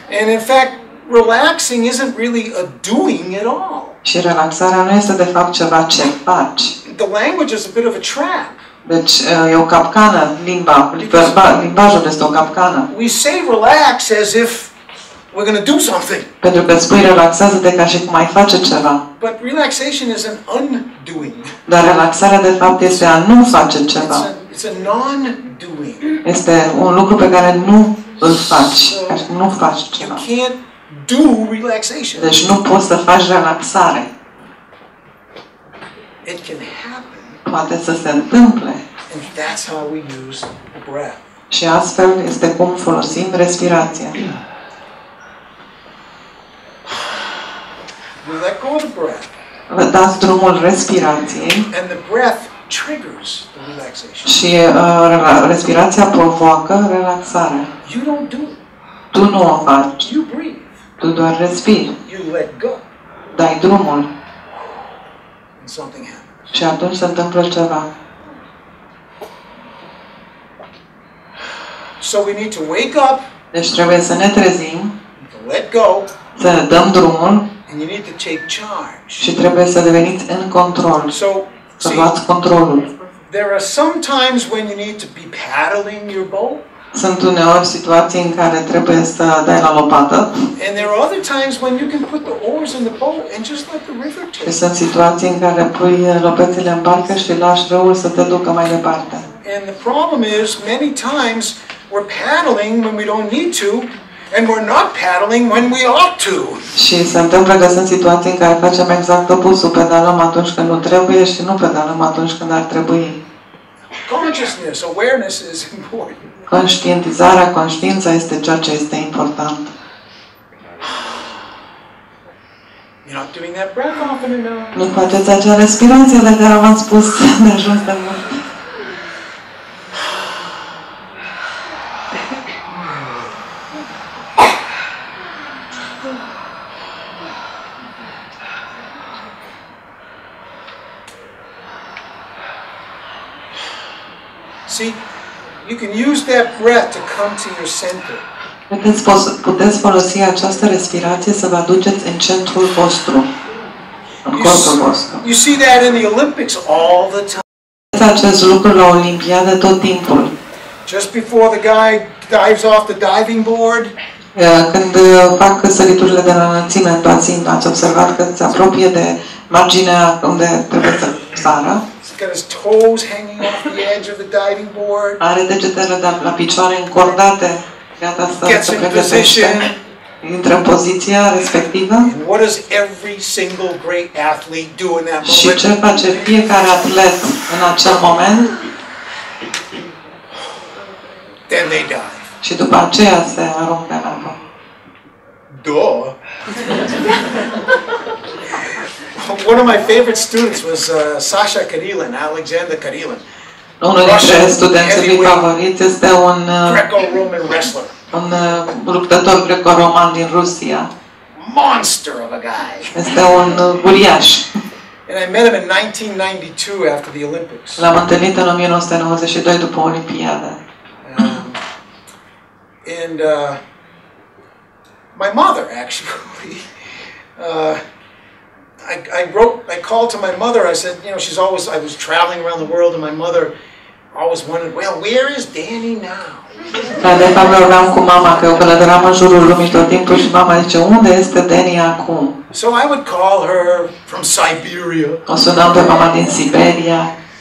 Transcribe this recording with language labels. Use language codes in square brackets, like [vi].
[en] And in fact, relaxing isn't really a doing at all. [ro] Și relaxarea nu este de fapt ceva ce faci. [en] The language is a bit of a trap. [ro] Deci e o capcană, limba, limbajul este o capcană. [en] We say relax as if we're going to do something. [ro] Pentru că spui relaxează-te ca și cum ai face ceva. [en] But relaxation is an undoing. [ro] Dar relaxarea de fapt este a nu face ceva. [en] It's a non-doing. [ro] Este un lucru pe care nu îl faci, ca și nu faci ceva. [en] You can't do relaxation. [ro] Deci nu poți să faci relaxare. [en] It can happen. [ro] Poate să se întâmple. [en] And that's how we use breath. [ro] Și astfel este cum folosim respirația. [en] We let go of the breath. [ro] Vă dați drumul respirației. [en] And the breath triggers the relaxation. [ro] Și respirația provoacă relaxarea. [en] You don't do. [ro] Tu nu o faci. [en] You breathe. [ro] Tu doar respiri. [en] You let go. [ro] Dai drumul. [en] And something happens. [ro] Și atunci se întâmplă ceva. [en] So we need to wake up. [ro] Deci trebuie să ne trezim. [en] Let go. [ro] Să dăm drumul. [en] And you need to take charge. [ro] Și trebuie să deveniți în control. [en] So, [ro] să luați controlul. [en] There are some times when you need to be paddling your boat. [ro] Sunt uneori situații în care trebuie să dai la lopată. [en] And there are other times when you can put the oars in the boat and just let the river take. [ro] Sunt situații în care pui lopetele în barcă și lași râul să te ducă mai departe. [en] And the problem is many times we're paddling when we don't need to and we're not paddling when we ought to. [ro] Și se întâmplă că sunt situații în care facem exact opusul, pedalăm atunci când nu trebuie și nu pedalăm atunci când ar trebui. [en] Consciousness, awareness is important. [ro] Conștientizarea, conștiința este ceea ce este important. [en] You're not doing that breath often enough. [ro] Nu faceți acea respirație de care v-am spus de jos de mult. [en] See? You can use that breath to come to your center. [ro] Puteți folosi această respirație să vă aduceți în centrul vostru. În corpul vostru. [en] You see that in the Olympics all the time. [ro] Acest lucru la olimpiade tot timpul. [en] Just before the guy dives off the diving board. [ro] Când fac săriturile de la înălțime, ați observat că se apropie de marginea unde trebuie să sară. [en] Got his toes hanging off the edge of the diving board. [ro] Are degetele la picioare încordate. Gata să se pregătește. Intră în poziția respectivă. [en] And what does every single great athlete do in that moment? [ro] Și ce face fiecare atlet în acel moment? [en] Then they dive. [ro] Și după aceea se aruncă în apă. [en] One of my favorite students was Sasha Karelin, Alexander Karelin. [ro] Unul dintre studenții mei favoriți este un [en] greco-roman wrestler. [ro] Un luptător greco-roman din Rusia. [en] Monster of a guy. [ro] Este un uriaș. [en] And I met him in 1992 after the Olympics. [ro] L-am întâlnit în 1992 după olimpiadă. [en] And my mother actually I called to my mother. I said, you know, she's always, I was traveling around the world, and my mother always wondered, well, where is Danny now? [ro] De fapt, vorbeam cu mama, că eu călătoream în jurul lumii tot timpul și mama zice, unde este Danny acum? [en] So I would call her from Siberia. [ro] O sunam pe mama din Siberia.